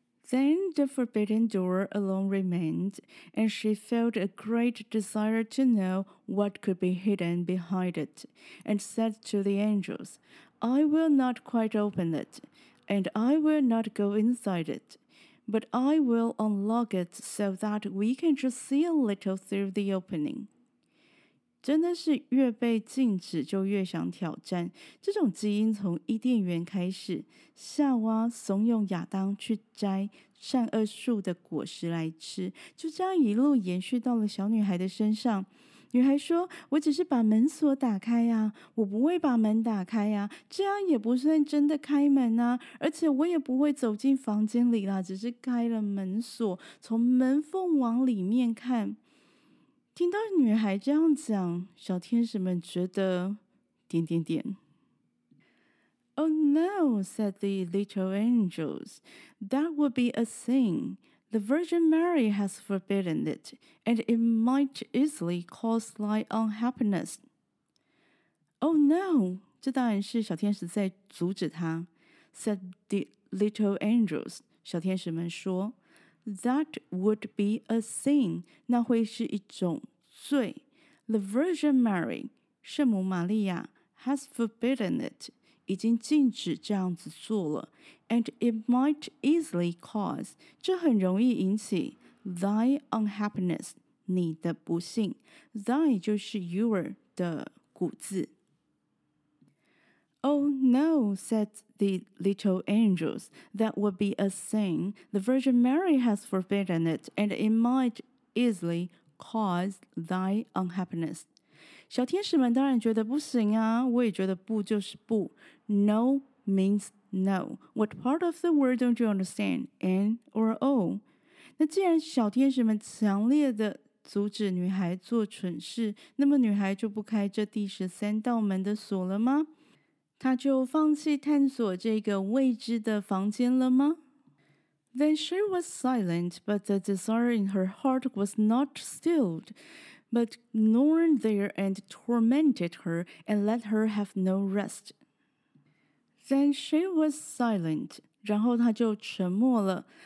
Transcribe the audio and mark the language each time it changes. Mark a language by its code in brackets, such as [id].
[en] Then the forbidden door alone remained, and she felt a great desire to know what could be hidden behind it, and said to the angels, I will not quite open it, and I will not go inside it, but I will unlock it so that we can just see a little through the opening. [zh] 真的是越被禁止就越想挑战，这种基因从伊甸园开始，夏娃怂恿亚当去摘善恶树的果实来吃，就这样一路延续到了小女孩的身上。女孩说，我只是把门锁打开啊，我不会把门打开啊，这样也不算真的开门啊，而且我也不会走进房间里啦，只是开了门锁，从门缝往里面看。听到女孩这样讲，小天使们觉得点点点。 [en] Oh no, said the little angels. That would be a sin. The Virgin Mary has forbidden it, and it might easily cause slight unhappiness. Oh no, [zh] 这当然是小天使在阻止她。 [en] Said the little angels, [zh] 小天使们说。 [en] That would be a sin, [zh] 那会是一种。罪 [en] The Virgin Mary, [zh] 圣母玛利亚 [en] has forbidden it, [zh] 已经禁止这样子做了 [en] and it might easily cause, [zh] 这很容易引起 [en] thy unhappiness, [zh] 你的不幸 [en] thy [zh] 就是 [en] your [zh] 的古字 [en] Oh no, said the little angels, that would be a sin, the Virgin Mary has forbidden it, and it might easily cause thy unhappiness. [zh] 小天使们当然觉得不行啊，我也觉得不就是不。 [en] No means no. What part of the word don't you understand? N or O? [zh] 那既然小天使们强烈的阻止女孩做蠢事，那么女孩就不开这第十三道门的锁了吗？她就放弃探索这个未知的房间了吗？ [en] Then she was silent, but the desire in her heart was not stilled, but gnawed there and tormented her and let her have no rest. Then she was silent, [zh] 然后她就沉默了,